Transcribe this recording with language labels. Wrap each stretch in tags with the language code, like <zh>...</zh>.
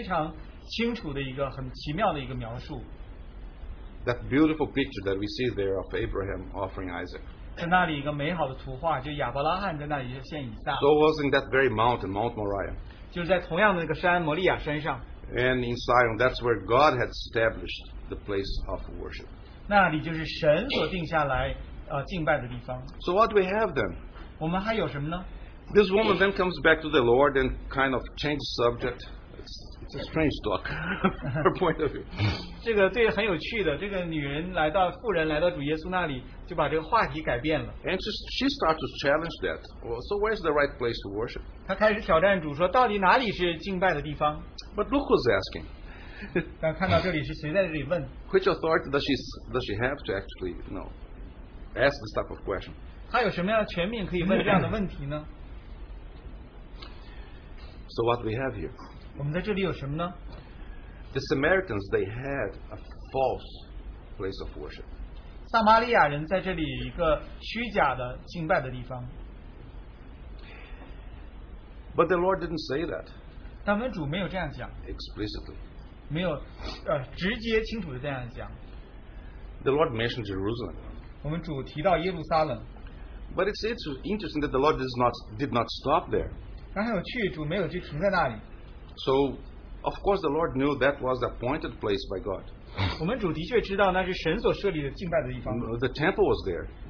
<zh>在那里的描述是非常清楚的一个很奇妙的一个描述。</zh> <en>That beautiful picture that we see there of Abraham offering Isaac.</en> <zh>在那里一个美好的图画，就亚伯拉罕在那里献以撒。</zh> <en>So was in that very mountain, Mount Moriah.</en> <zh>就是在同样的那个山，摩利亚山上。</zh> <en>And in Zion, that's where God had established the place of worship.</en> <zh>那里就是神所定下来敬拜的地方。</zh> <en>So what do we have then?</en> <zh>我们还有什么呢？</zh> <en>This woman then comes back to the Lord and kind of changes subject. It's a strange talk, her point of view.</en> <zh>这个对很有趣的，这个女人来到妇人来到主耶稣那里，就把这个话题改变了。</zh> <en>And she starts to challenge that. Well, so where's the right place to worship?</en> <zh>她开始挑战主说，到底哪里是敬拜的地方？</zh> <en>But look who's asking.</en> <zh>但看到这里是谁在这里问？</zh> <en>Which authority does she have to actually, you know, ask this type of question?</en> <zh>她有什么样的权柄可以问这样的问题呢？</zh> <en>So what we have here? The Samaritans, they had a false place of worship. But the Lord didn't say that. Explicitly.</en> <zh>没有直接清楚地这样讲。</zh> <en>The Lord mentioned Jerusalem.</en> <zh>我们主提到耶路撒冷。</zh> <en>But it's interesting that the Lord did not stop there. So, of course, the Lord knew that was the appointed place by God. The temple was there.</en>